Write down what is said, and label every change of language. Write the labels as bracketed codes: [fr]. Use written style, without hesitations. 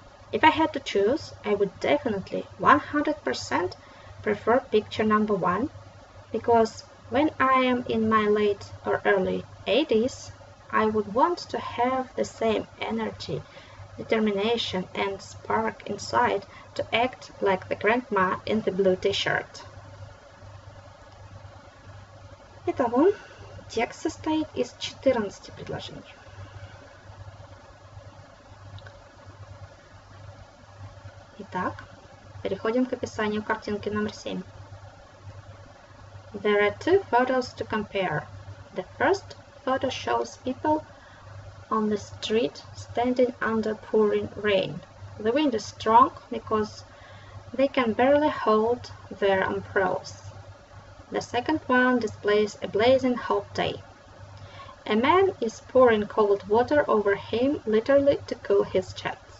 [en] If I had to choose, I would definitely 100% prefer picture number one, because when I am in my late or early 80s, I would want to have the same energy, determination and spark inside to act like the grandma in the blue t-shirt. [ru] Итого, текст состоит из 14 предложений. Итак, переходим к описанию картинки номер 7. [en] There are two photos to compare. The first photo shows people on the street standing under pouring rain. The wind is strong because they can barely hold their umbrellas. The second one displays a blazing hot day. A man is pouring cold water over him literally to cool his chest.